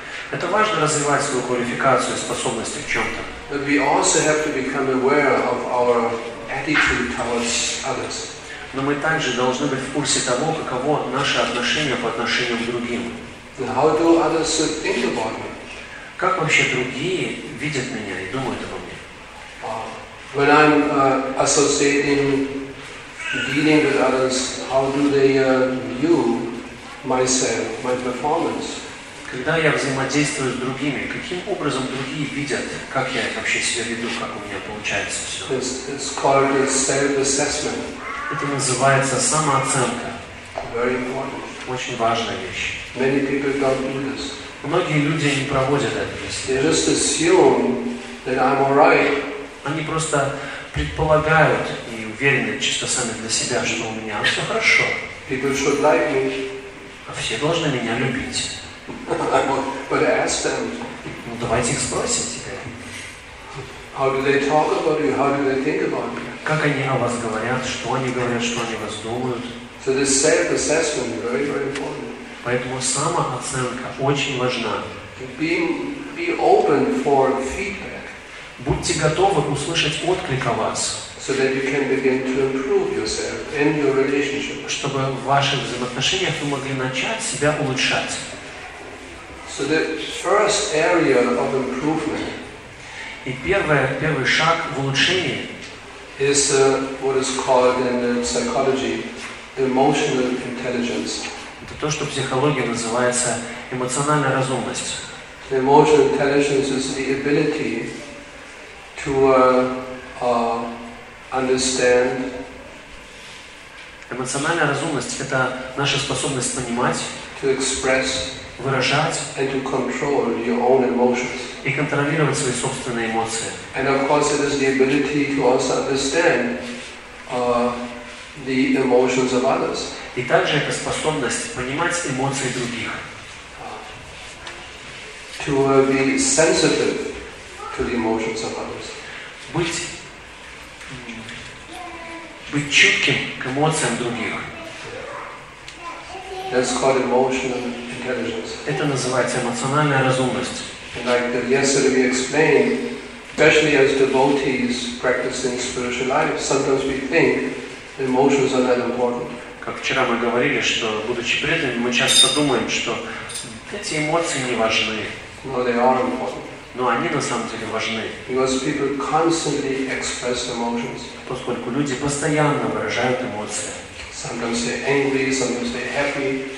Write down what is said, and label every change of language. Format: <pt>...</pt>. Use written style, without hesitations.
<ru>Это важно развивать свою квалификацию, способности в чем-то.</ru> <en>But we also have to become aware of our attitude towards others.</en> <ru>Но мы также должны быть в курсе того, каково наше отношение по отношению к другим.</ru> <en>How do others think about me?</en> <ru>Как вообще другие видят меня и думают обо мне?</ru> <en>When I'm associating, dealing with others, how do they view myself, my performance?</en> <ru>Когда я взаимодействую с другими, каким образом другие видят, как я вообще себя веду, как у меня получается все?</ru> <en>It's called self-assessment.</en> <ru>Это называется самооценка.</ru> <en>Very important.</en> <ru>Очень важная вещь.</ru> <en>Many people don't do this.</en> <ru>Многие люди не проводят это.</ru> <en>They just assume that I'm all right.</en> <ru>Они просто предполагают и уверены чисто сами для себя, что у меня все хорошо.</ru> <en>People should like me.</en> <ru>А все должны меня любить.</ru> <en>But ask them.</en> <ru>Ну давайте их спросим теперь.</ru> <en>How do they talk about you? How do they think about me?</en> <ru>Как они о вас говорят? Что они говорят? Что они о вас думают?</ru> <en>So this self-assessment is very, very important.</en> <ru>Поэтому самооценка очень важна.</ru> <en>Be open for feedback.</en> <ru>Будьте готовы услышать отклик о вас.</ru> <en>So that you can begin to improve yourself and your relationship.</en> <ru>Чтобы в ваших взаимоотношениях вы могли начать себя улучшать.</ru> <en>So the first area of improvement.</en> <ru>И первый шаг в улучшении</ru> <en>is what is called in psychology emotional intelligence.</en> <ru>Это то, что в психологии называется эмоциональная разумность.</ru> <en>The emotional intelligence is the ability to understand.</en> <ru>Эмоциональная разумность — это наша способность понимать,</ru> <en>to express,</en> <ru>выражать</ru> <en>and to control your own emotions.</en> <ru>И контролировать свои собственные эмоции.</ru> <en>And of course, it is the ability to also understand the emotions of others.</en> <ru>И также это способность понимать эмоции других.</ru> <en>To be sensitive to the emotions of others.</en> <ru>Быть чутким к эмоциям других.</ru> <en>That's called emotional intelligence.</en> <ru>Это называется эмоциональная разумность.</ru> <en>And like yesterday we explained, especially as devotees practicing spiritual life, sometimes we think emotions are not important.</en> <ru>Как вчера мы говорили, что, будучи преданными, мы часто думаем, что эти эмоции не важны.</ru> <en>No, they are important.</en> <ru>Но они на самом деле важны.</ru> <en>Because people constantly express emotions.</en> <ru>Поскольку люди постоянно выражают эмоции.</ru> <en>Sometimes they're angry, sometimes they're happy.</en>